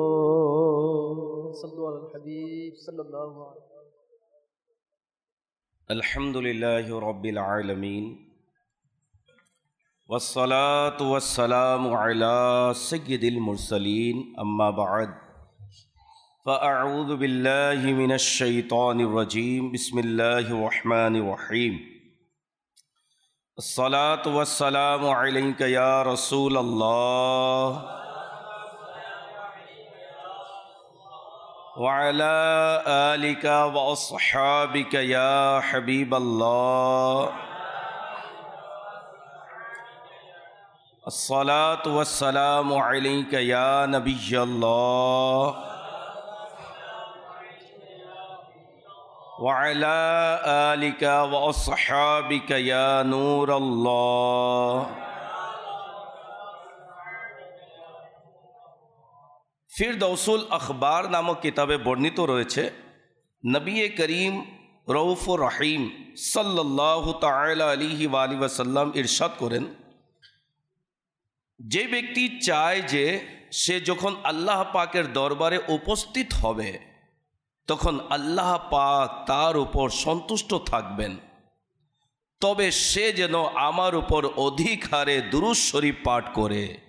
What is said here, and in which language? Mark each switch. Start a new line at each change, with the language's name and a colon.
Arabic: صلی اللہ علیہ حبیب صلی اللہ علیہ الحمدللہ رب العالمین والصلاة والسلام علی سید المرسلین اما بعد فأعوذ بالله من الشيطان الرجيم بسم الله الرحمن الرحيم الصلاة والسلام عليك يا رسول الله وعلى آلك وأصحابك يا حبيب الله الصلاة والسلام عليك يا نبي الله وعلى آلك وأصحابك يا نور الله.
Bangla: ফিরদাউসুল আখবার নামক কিতাবে বর্ণিত রয়েছে, নবী করিম রউফুর রহিম সাল্লাল্লাহু তাআলা আলাইহি ওয়া আলিহি ওয়াসাল্লাম ইরশাদ করেন, যে ব্যক্তি চায় যে সে যখন আল্লাহ পাকের দরবারে উপস্থিত হবে তখন আল্লাহ পাক তার উপর সন্তুষ্ট থাকবেন, তবে সে যেন আমার উপর অধিক হারে দুরূদ শরীফ পাঠ করে।